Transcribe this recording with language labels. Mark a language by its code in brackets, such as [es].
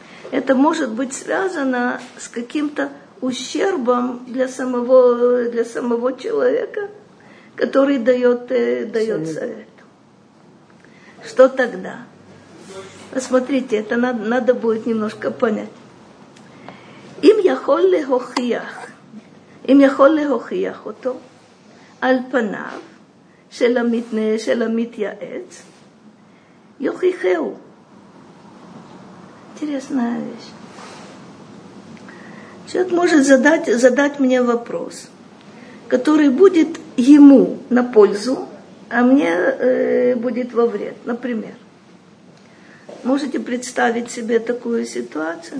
[ru] Это может быть связано с каким-то ущербом для самого человека, который дает совет. Что тогда? Посмотрите, это надо будет немножко понять. [he] Им яхоль ле хохиях. אם יכול להוכיח אותו על פניו של המתנה, של המתייעץ, יוכיחהו. [ru] Интересная вещь. Человек может задать мне вопрос, который будет ему на пользу, а мне будет во вред. Например, можете представить себе такую ситуацию?